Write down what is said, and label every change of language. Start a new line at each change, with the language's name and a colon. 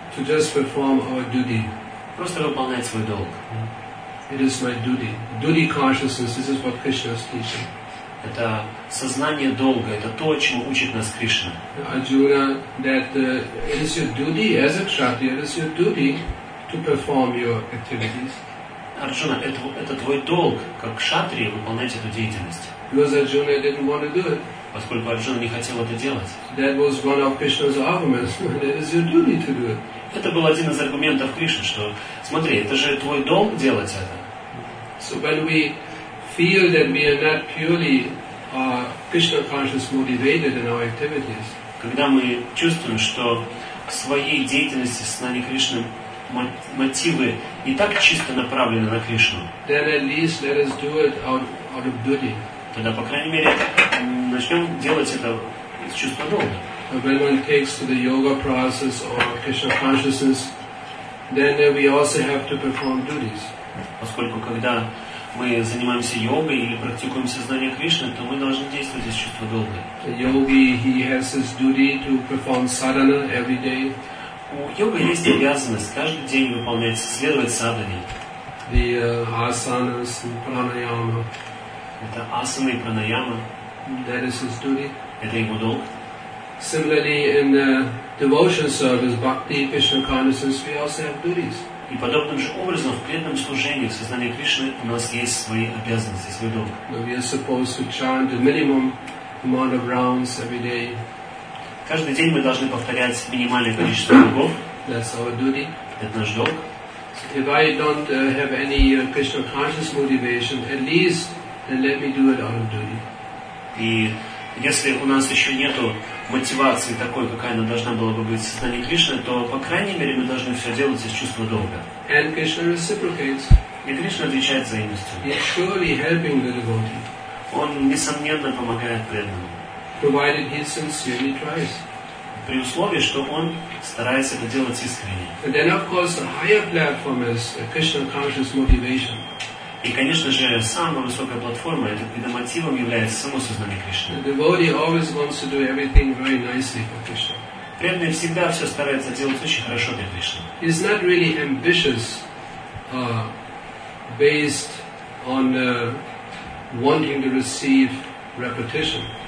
English: To just perform our duty.
Russian: Просто выполнять свой долг.
English: It is my duty. Duty consciousness. This is what Krishna is teaching.
Russian: Это сознание долга, это то, чему учит нас Кришна.
English: Arjuna, that it is your duty as a kshatriya, it is your duty to perform your activities.
Russian: Arjuna, это твой долг, как кшатрия, выполнять эту деятельность.
English: Because Arjuna didn't want to do it.
Russian: Поскольку Арджуна не хотел это делать.
English: That was one of Krishna's arguments. It is your duty to do it.
Russian: Это был один из аргументов Кришны, что смотри, это же твой долг делать это.
English: So when we feel that we are not purely Krishna conscious motivated in our activities.
Russian: Когда мы чувствуем, что в своей деятельности с нами Кришны мотивы не так чисто направлены на Кришну.
English: Then at least let us do it out of duty.
Russian: Тогда, по крайней мере, начнем делать это из чувства долга.
English: When one takes to the yoga process or Krishna consciousness, then we also have to perform duties.
Russian: Поскольку когда мы занимаемся йогой или практикуем сознание Кришны, то мы должны действовать из чувства долга.
English: The yogi, he has his duty to perform sadhana every day.
Russian: У йоги есть обязанность каждый день выполнять, следовать садхане.
English: The asanas and pranayama.
Russian: Это асаны и пранаяма.
English: That is his duty.
Russian: Это его долг.
English: Similarly, in the devotion service, bhakti, Krishna consciousness, we also have duties.
Russian: И подобным же образом в преданном служении, в сознании Кришны, у нас есть свои обязанности, свой долг.
English: But we are supposed to chant a minimum amount of rounds every day.
Russian: Каждый день мы должны повторять минимальное количество кругов.
English: That's our duty.
Russian: Это наш долг.
English: So if I don't have any Krishna conscious motivation, at least then let me do it out of duty.
Russian: И если у нас еще нету мотивации такой, какая она должна была бы быть в сознании Кришны, то, по крайней мере, мы должны все делать из чувства долга.
English: And Krishna reciprocates.
Russian: И Кришна отвечает взаимностью.
English: He is surely helping the devotee.
Russian: Он, несомненно, помогает преданному.
English: Provided he sincerely tries.
Russian: При условии, что он старается это делать искренне.
English: And then, of course, the higher platform is Krishna conscious motivation.
Russian: И, конечно же, самая высокая платформа, это мотивом является само сознание Кришны.
English: The devotee always wants to do everything very nicely for Krishna.
Russian: Преданный всегда все старается делать очень хорошо для Кришны.
English: He's not really ambitious based on wanting to receive repetition.